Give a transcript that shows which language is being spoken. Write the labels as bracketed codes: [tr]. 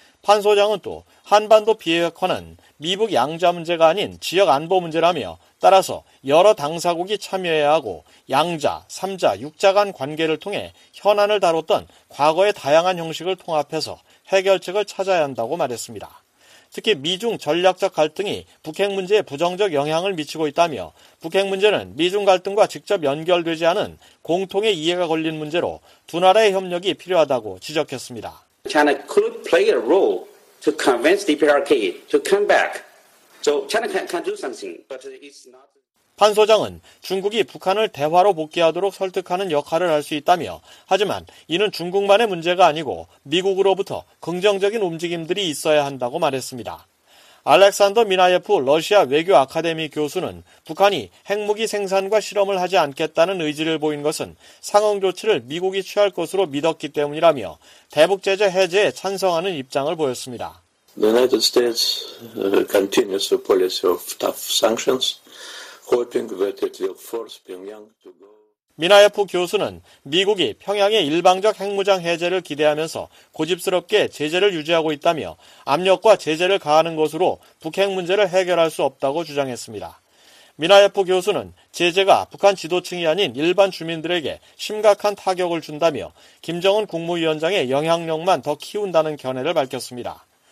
[ko] 판 소장은 또 한반도 비핵화는 미북 양자 문제가 아닌 지역 안보 문제라며 따라서 여러 당사국이 참여해야 하고 양자, 삼자, 육자 간 관계를 통해 현안을 다뤘던 과거의 다양한 형식을 통합해서 해결책을 찾아야 한다고 말했습니다. 특히 미중 전략적 갈등이 북핵 문제에 부정적 영향을 미치고 있다며 북핵 문제는 미중 갈등과 직접 연결되지 않은 공통의 이해가 걸린 문제로 두 나라의 협력이 필요하다고 지적했습니다. [en] China could play a role to convince DPRK to come back. So China can do something, but it's not. [ko] 판 소장은 중국이 북한을 대화로 복귀하도록 설득하는 역할을 할 수 있다며 하지만 이는 중국만의 문제가 아니고 미국으로부터 긍정적인 움직임들이 있어야 한다고 말했습니다. 알렉산더 미나예프 러시아 외교 아카데미 교수는 북한이 핵무기 생산과 실험을 하지 않겠다는 의지를 보인 것은 상응 조치를 미국이 취할 것으로 믿었기 때문이라며 대북 제재 해제에 찬성하는 입장을 보였습니다. [en] The United States continues a policy of tough sanctions, hoping that it will force Pyongyang to go. [ko] 미나예프 교수는 미국이 평양의 일방적 핵무장 해제를 기대하면서 고집스럽게 제재를 유지하고 있다며 압력과 제재를 가하는 것으로 북핵 문제를 해결할 수 없다고 주장했습니다. 미나예프 교수는 제재가 북한 지도층이 아닌 일반 주민들에게 심각한 타격을 준다며 김정은 국무위원장의 영향력만 더 키운다는 견해를 밝혔습니다.